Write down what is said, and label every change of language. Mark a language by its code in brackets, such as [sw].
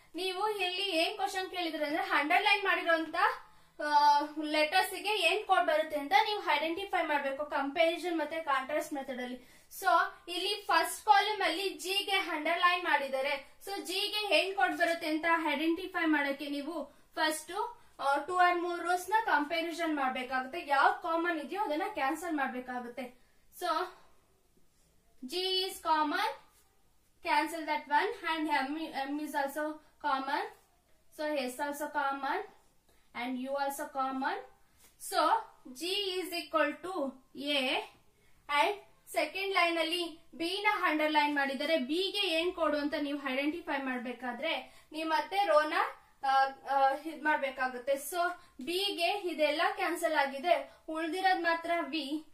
[kn] ನೀವು ಇಲ್ಲಿ ಏನ್ ಕ್ವಶನ್ ಕೇಳಿದ್ರೆ ಅಂದ್ರೆ ಅಂಡರ್ಲೈನ್ ಮಾಡಿರೋಂತ ಲೆಟರ್ಸ್ ಗೆ ಏನ್ ಕೋಡ್ ಬರುತ್ತೆ ಅಂತ ನೀವು ಐಡೆಂಟಿಫೈ ಮಾಡ್ಬೇಕು ಕಂಪೇರಿಷನ್ ಮತ್ತೆ ಕಾಂಟ್ರಾಸ್ಟ್ ಮೆಥಡ್ ಅಲ್ಲಿ. ಸೊ ಇಲ್ಲಿ ಫಸ್ಟ್ ಕಾಲಮ್ ಅಲ್ಲಿ ಜಿ ಗೆ ಅಂಡರ್ಲೈನ್ ಮಾಡಿದರೆ, ಸೊ ಜಿ ಗೆ ಏನ್ ಕೋಡ್ ಬರುತ್ತೆ ಅಂತ ಐಡೆಂಟಿಫೈ ಮಾಡಕ್ಕೆ ನೀವು ಫಸ್ಟ್ 2 ಆರ್ 3 ರೋಸ್ ನ ಕಂಪೇರಿಷನ್ ಮಾಡ್ಬೇಕಾಗುತ್ತೆ, ಯಾವ ಕಾಮನ್ ಇದೆಯೋ ಅದನ್ನ ಕ್ಯಾನ್ಸಲ್ ಮಾಡ್ಬೇಕಾಗುತ್ತೆ. [en] So G is common, cancel that one, and M is also common, so S also common, and U also common. So G is equal to A, and second line [kn] ಅಲ್ಲಿ B ನ underline ಮಾಡಿದರೆ B ಗೆ ಏನ್ ಕೊಡು ಅಂತ ನೀವು identify ಮಾಡ್ಬೇಕಾದ್ರೆ ನೀವ್ ಮತ್ತೆ ರೋನ ಇದ್ ಮಾಡ್ಬೇಕಾಗುತ್ತೆ. ಸೊ B ಗೆ ಇದೆಲ್ಲ ಕ್ಯಾನ್ಸಲ್ ಆಗಿದೆ, ಉಳಿದಿರೋದ್ ಮಾತ್ರ V.